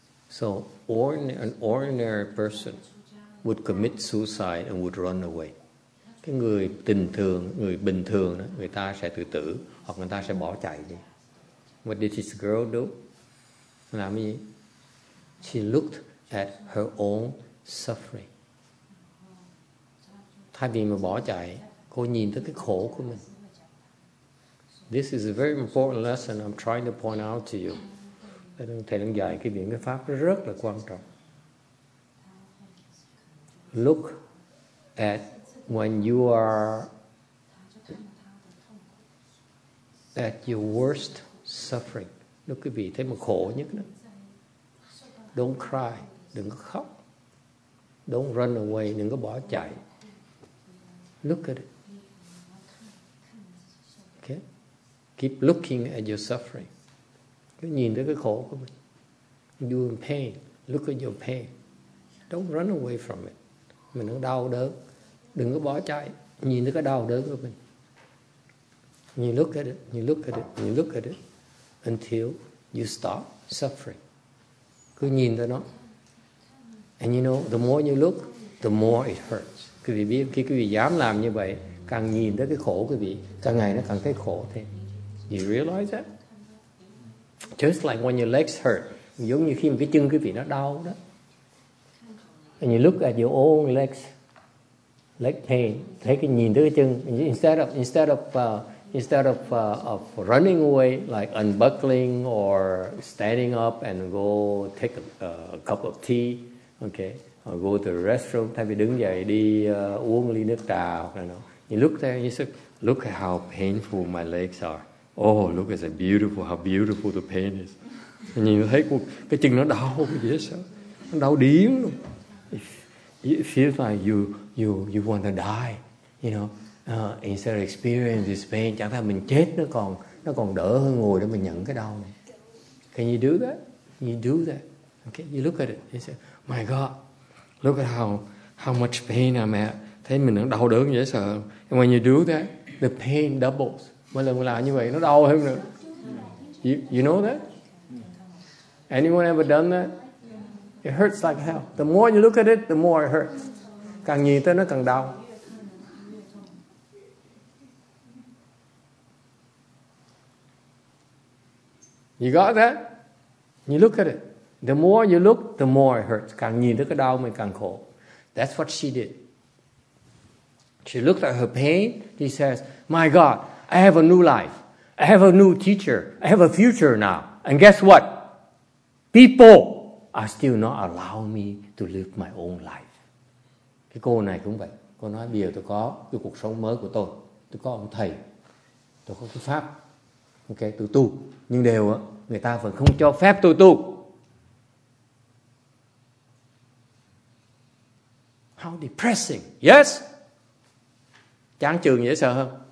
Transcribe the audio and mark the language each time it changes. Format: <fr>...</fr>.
<en>So an ordinary person would commit suicide and would run away.</en> <vi>Người tình thường, người bình thường, người ta sẽ tự tử hoặc người ta sẽ bỏ chạy đi.</vi> <en>What did this girl do?</en> <vi>Làm gì?</vi> <en>She looked at her own suffering.</en> <vi>Thay vì mà bỏ chạy, cô nhìn tới cái khổ của mình.</vi> <en>This is a very important lesson I'm trying to point out to you.</en> <vi>Thầy đang dạy cái biện pháp rất là quan trọng.</vi> <en>Look at when you are at your worst suffering. Look at me,</en> <vi>thấy mà khổ nhất đó.</vi> <en>Don't cry,</en> <vi>đừng có khóc.</vi> <en>Don't run away,</en> <vi>đừng có bỏ chạy.</vi> <en>Look at it. Okay? Keep looking at your suffering.</en> <vi>Cứ nhìn tới cái khổ của mình.</vi> <en>You're in pain, look at your pain. Don't run away from it.</en> <vi>Mình đang đau đớn. Đừng có bỏ chạy, nhìn thấy cái đau đớn của mình.</vi> <en>You look at it, you look at it, you look at it until you stop suffering.</en> <vi>Cứ nhìn thấy nó.</vi> <en>And you know, the more you look, the more it hurts.</en> <vi>Quý vị biết, khi quý vị dám làm như vậy, càng nhìn thấy cái khổ quý vị, càng ngày nó càng thấy khổ thêm.</vi> <en>You realize that? Just like when your legs hurt,</en> <vi>giống như khi mà cái chân quý vị nó đau đó.</vi> <en>And you look at your own legs, leg pain,</en> <vi>thấy cái nhìn thấy cái chân,</vi> <en>instead of running away, like unbuckling or standing up and go take a cup of tea, okay, or go to the restroom,</en> <vi>thay vì đứng dậy đi uống ly nước trà,</vi> <en>You look there and you say, look at how painful my legs are. Oh, look at beautiful, how beautiful the pain is. And you</en> <vi>thấy cái chân nó đau, dễ sợ. Nó đau điên luôn.</vi> <en>It feels like you want to die, you know. Instead of experience this pain,</en> <vi>chẳng phải mình chết nó còn đỡ hơn ngồi để mình nhận cái đau này.</vi> <en>Can you do that? You do that. Okay, you look at it. You say, my God, look at how much pain I'm at.</en> <vi>Thấy mình nó đau đớn dễ sợ.</vi> <en>And when you do that, the pain doubles.</en> <vi>Mỗi lần mình làm như vậy, nó đau hơn nữa.</vi> <en>You know that? Anyone ever done that? It hurts like hell. The more you look at it, the more it hurts.</en> <vi>Càng nhìn tới nó càng đau.</vi> <en>You got that? You look at it. The more you look, the more it hurts.</en> <vi>Càng nhìn tới cái đau mình càng khổ.</vi> <en>That's what she did. She looked at her pain. She says, my God, I have a new life. I have a new teacher. I have a future now. And guess what? People are still not allowing me to live my own life.</en> <vi>Cái cô này cũng vậy. Cô nói bây giờ tôi có cái cuộc sống mới của tôi. Tôi có ông thầy. Tôi có cái pháp. Ok, tôi tu. Nhưng đều người ta vẫn không cho phép tôi tu.</vi> <en>How depressing. Yes.</en> <vi>Chán trường dễ sợ hơn.</vi>